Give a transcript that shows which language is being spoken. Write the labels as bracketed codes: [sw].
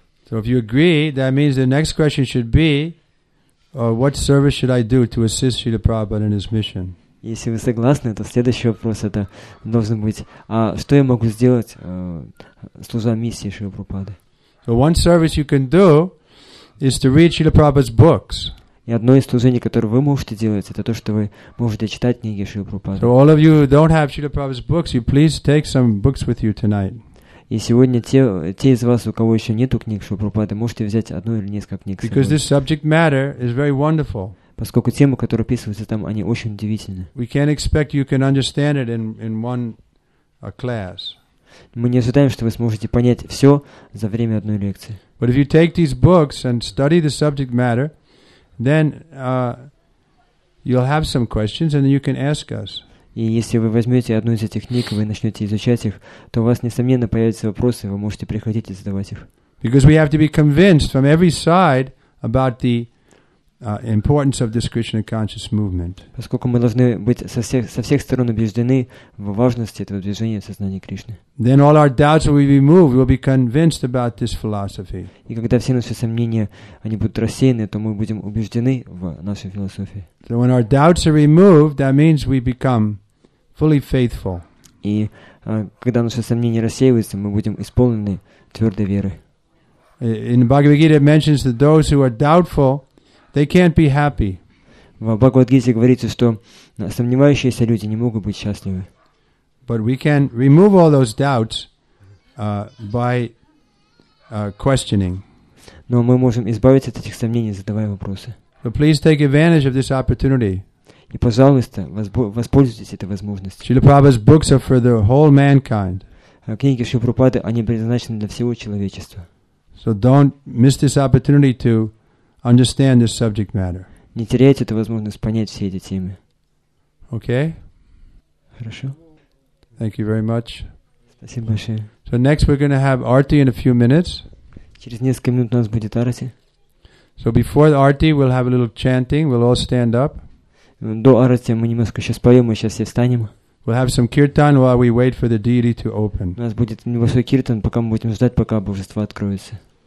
[en] So if you agree, that means the next question should be, what service should I do to assist Srila Prabhupada in his mission? [ru] Если вы согласны, то следующий вопрос это должен быть, а что я могу сделать, служа миссии Шрилы Прабхупады? [en] So one service you can do is to read Srila Prabhupada's books. [ru] И одно из служений, которое вы можете делать, это то, что вы можете читать книги Шрилы Прабхупады. [en] So all of you who don't have Srila Prabhupada's books, you please take some books with you tonight. [ru] И сегодня те из вас, у кого еще нету книг Шрилы Прабхупады, можете взять одну или несколько книг. [en] Because this subject matter is very wonderful. [ru] Поскольку темы, которые описываются там, они очень удивительны. [en] We can't expect you can understand it in one class. [ru] Мы не ожидаем, что вы сможете понять все за время одной лекции. [en] But if you take these books and study the subject matter, then you'll have some questions and then you can ask us. [ru] И если вы возьмете одну из этих книг и вы начнете изучать их, то у вас несомненно появятся вопросы, вы можете приходить и задавать их. [en] Because we have to be convinced from every side about the importance of this Krishna conscious movement. [ru] Поскольку мы должны быть со всех сторон убеждены в важности этого движения сознания Кришны. [en] Then all our doubts will be removed. We'll be convinced about this philosophy. [ru] И когда все наши сомнения они будут рассеяны, то мы будем убеждены в нашей философии. [en] So when our doubts are removed, that means we become fully faithful. [ru] И когда наши сомнения рассеиваются, мы будем исполнены твердой веры. [en] In Bhagavad Gita, it mentions that those who are doubtful, they can't be happy. [ru] В Бхагавад-гите говорится, что сомневающиеся люди не могут быть счастливы. [en] But we can remove all those doubts by questioning. [ru] Но мы можем избавиться от этих сомнений, задавая вопросы. [en] But please take advantage of this opportunity. [ru] И, пожалуйста, воспользуйтесь этой возможностью. [en] Srila Prabhupada's books are for the whole mankind. [ru] Книги Шрилы Прабхупады, они предназначены для всего человечества. [en] So don't miss this opportunity to understand this subject matter. [ru] Не теряйте эту возможность понять все эти темы. [en] Okay? [ru] Хорошо. [en] Thank you very much. [ru] Спасибо большое. [en] So next we're going to have Arti in a few minutes. [ru] Через несколько минут у нас будет Арти. [en] So before the Arti, we'll have a little chanting. We'll all stand up. [ru] До Арти мы немножко сейчас поем, мы сейчас все встанем. [en] We'll have some kirtan while we wait for the deity to open. [ru] У нас будет небольшой киртан, пока мы будем ждать, пока божество откроется.